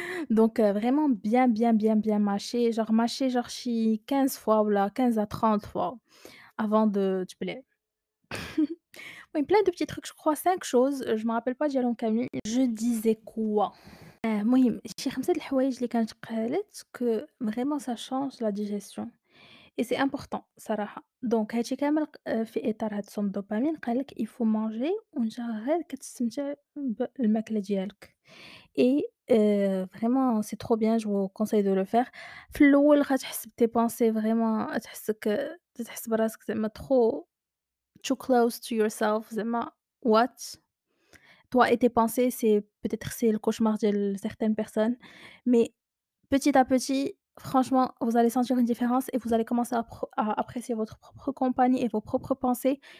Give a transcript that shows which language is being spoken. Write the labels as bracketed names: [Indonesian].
[French] Donc, vraiment bien, bien, bien, bien mâcher. Genre mâcher, genre, 15 fois ou là, 15 à 30 fois avant de. Tu peux oui, plein de petits trucs, je crois, 5 choses. Je ne me rappelle pas, Dialon Camille. Je disais quoi? Moi, j'ai remarqué que vraiment ça change la digestion. Et c'est important, Sarah. Donc, [Arabic] هادشي كامل في إطار هاد الصوم دوبامين قالك [French] il faut manger on [Arabic] غير كتستمتع بالماكلة ديالك. [French] Et vraiment, c'est trop bien, je vous conseille de le faire. [Arabic] في الأول غتحس بتي بونسي [French] vraiment [Arabic] تحسك تحس براسك زعما [English] too close to yourself [Arabic] زعما [French] what toi et tes pensées, c'est peut-être c'est le cauchemar de certaines personnes, mais petit à petit, franchement, vous allez sentir une différence et vous allez commencer à apprécier votre propre compagnie et vos propres pensées.